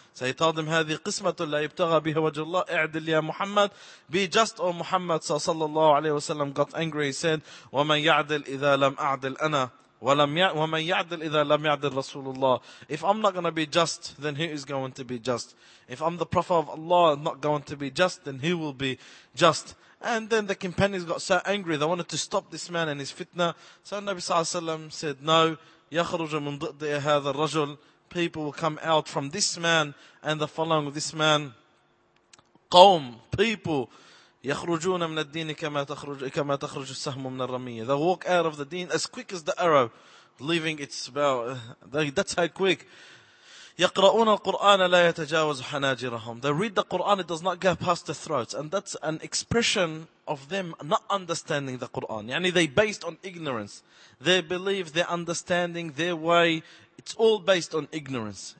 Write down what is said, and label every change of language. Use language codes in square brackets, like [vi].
[en] So he told him, [ar] هذه قسمة لا يبتغى بها وجه الله. اعدل يا محمد. [en] Be just, O Muhammad. So sallallahu alayhi wasallam got angry. He said, [ar] ومن يعدل إذا لم أعدل أنا ومن يعدل إذا لم يعدل رسول الله. [en] If I'm not gonna be just, then who is going to be just? If I'm the Prophet of Allah, not going to be just, then who will be just? And then the companions got so angry, they wanted to stop this man and his fitna. So Nabi Sallallahu Alaihi Wasallam said, no, [ar] يَخْرُجَ مِنْ ضِئْدِيَ هَذَا الرَّجُلِ. [en] People will come out from this man and the following of this man. [ar] قَوْم, [en] people, [ar] يَخْرُجُونَ مِنَ الدِّينِ كَمَا تَخْرُجُ السَّهْمُ مِنَ الرَّمِيَّ. [en] They walk out of the deen as quick as the arrow, leaving its bow. That's how quick. [ar] يَقْرَؤُونَ الْقُرْآنَ لَا يَتَجَاوَزُ حَنَاجِرَهُمْ. [en] They read the Qur'an, it does not go past the throats. And that's an expression of them not understanding the Qur'an. Yani they based on ignorance. Their belief, their understanding, their way, it's all based on ignorance.